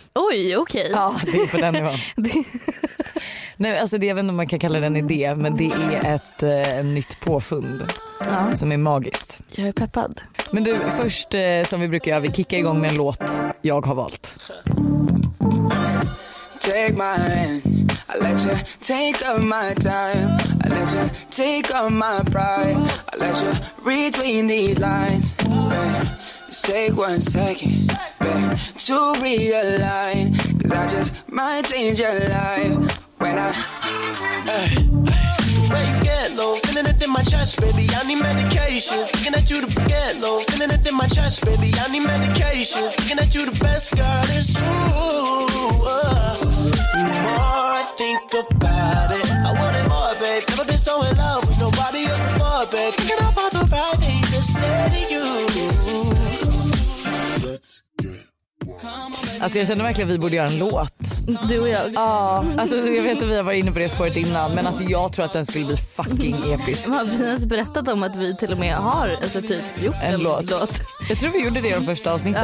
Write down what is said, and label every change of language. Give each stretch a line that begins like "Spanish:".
Swedish: Oj, okej. Ja, det är på den nivån. Nej, alltså det, jag vet inte om man kan kalla det en idé, men det är ett nytt påfund, ja, som är magiskt. Jag är peppad. Men du, först som vi brukar göra, vi kickar igång med en låt jag har valt.
English: Take my hand, I let you take all my time, I let you take all my pride, I let you read between these lines, babe. Just take one second, babe, to realign, 'cause I just might change your life when I Where you get low, feeling it in my chest, baby, I need medication. Looking at you to get low, feeling it in my chest, baby, I need medication. Looking at you the best, girl, it's true. More I think about it, I want it more, babe. Never been so in love with nobody else before, babe. Thinking about the right thing to say to you. Let's get.
Swedish: Alltså jag känner verkligen att vi borde göra en låt. Du och jag. Ja, alltså jag vet att vi har varit inne på det spåret innan, men alltså jag tror att den skulle bli fucking episk. Man har precis berättat om att vi till och med har, alltså typ gjort en låt. Jag tror vi gjorde det i de första avsnitten.